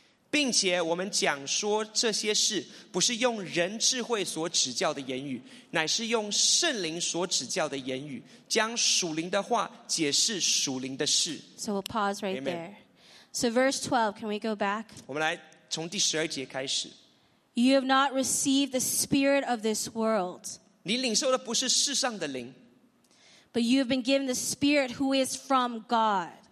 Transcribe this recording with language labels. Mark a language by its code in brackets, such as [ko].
[zh] 并且我们讲说这些事, 不是用人智慧所指教的言语, 乃是用圣灵所指教的言语, 将属灵的话解释属灵的事。 [en] So we'll pause right Amen. There. So verse 12, can we go back? [zh] 我们来从第十二节开始。 [en] You have not received the spirit of this world. [zh] 你领受的不是世上的灵。 [en] But you have been given the spirit who is from God.